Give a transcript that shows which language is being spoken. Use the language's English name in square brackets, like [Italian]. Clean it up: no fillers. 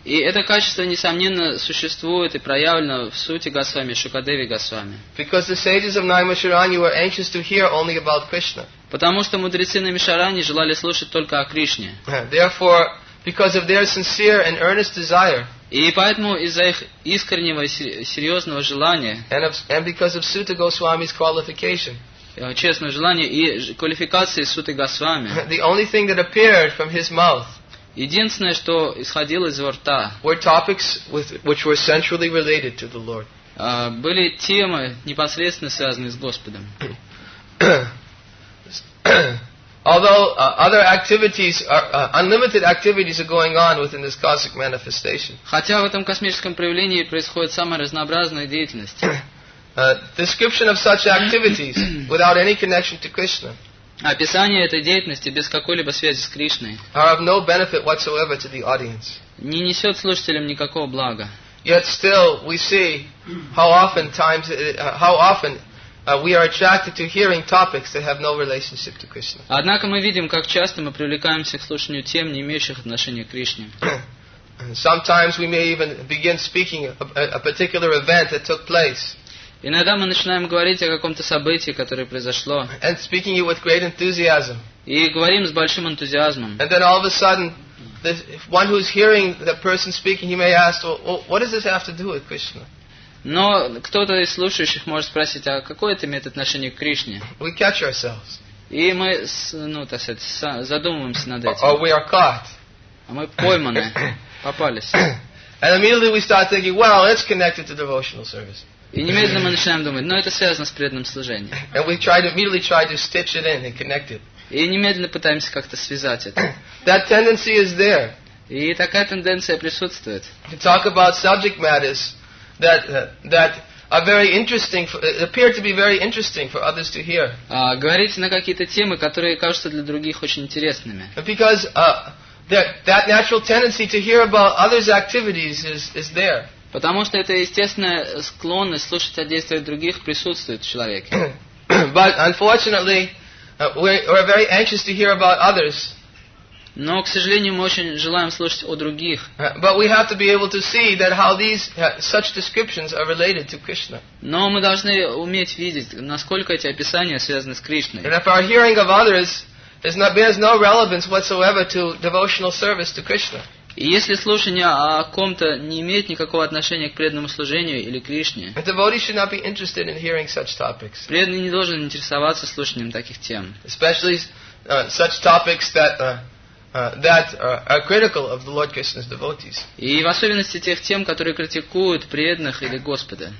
[Russian] И это качество несомненно существует и проявлено в Сути Госвами, Шукадеве Госвами. [English] Because the sages of Naimisharani were anxious to hear only about Krishna. [Russian] Потому что мудрецы Наймишарани желали слушать только о Кришне. [English] Therefore, because of their sincere and earnest desire. [Russian] И поэтому из-за их искреннего и серьезного желания. [English] And because of Sutta Goswami's qualification. [Russian] Честное желание и квалификации Суты Госвами. [English] The only thing that appeared from his mouth. [Russian] Единственное, что исходило из его рта. [English] Were topics which were centrally related to the Lord. [Russian] Были темы непосредственно связанные с Господом. [English] Although other activities, unlimited activities are going on within this cosmic manifestation. [Russian] Хотя в этом космическом проявлении происходит самая разнообразная деятельность. [English] Description of such activities without any connection to Krishna. [Russian] Описание этой деятельности без какой-либо связи с Кришной. [English] Are of no benefit whatsoever to the audience. [Russian] Не несет слушателям никакого блага. [English] Yet still we see how often times how often. We are attracted to hearing topics that have no relationship to Krishna. [Russian] Однако мы видим, как часто мы привлекаемся к слушанию тем, не имеющих отношения к Кришне. [English] Sometimes we may even begin speaking a particular event that took place. [Russian] Иногда мы начинаем говорить о каком-то событии, которое произошло. [English] And speaking it with great enthusiasm. [Russian] И говорим с большим энтузиазмом. [English] And then all of a sudden, the one who is hearing the person speaking, he may ask, well, "What does this have to do with Krishna?" [Russian] Но кто-то из слушающих может спросить, а какое это имеет отношение к Кришне? [English] We catch ourselves. [Russian] И мы, ну, так сказать, задумываемся над этим. [English] Or we are caught. [Russian] А мы пойманы, попались. [English] And immediately we start thinking, well, it's connected to devotional service. [Russian] И немедленно мы начинаем думать, ну, это связано с преданным служением. [English] And we try to immediately try to stitch it in and connect it. [Russian] И немедленно пытаемся как-то связать это. [English] That tendency is there. [Russian] И такая тенденция присутствует. [English] To talk about subject matters. That are very interesting, appear to be very interesting for others to hear. [Russian] Говорите на какие-то темы, которые кажутся для других очень интересными. [English] Because that natural tendency to hear about others' activities is there. [Russian] Потому что эта естественная склонность слушать о действиях других присутствует в человеке. [English] But unfortunately, we are very anxious to hear about others. [Russian] Но, к сожалению, мы очень желаем слушать о других. [English] But we have to be able to see that how these such descriptions are related to Krishna. [Russian] Но мы должны уметь видеть, насколько эти описания связаны с Кришной. [English] And if our hearing of others bears no relevance whatsoever to devotional service to Krishna. [Russian] И если слушание о ком-то не имеет никакого отношения к преданному служению или Кришне, [English] a devotee should not be interested in hearing such topics. [Russian] Преданный не должен интересоваться слушанием таких тем. [English] Especially such topics that are critical of the Lord Krishna's devotees. [Russian] И в особенности тех тем, которые критикуют преданных или Господа.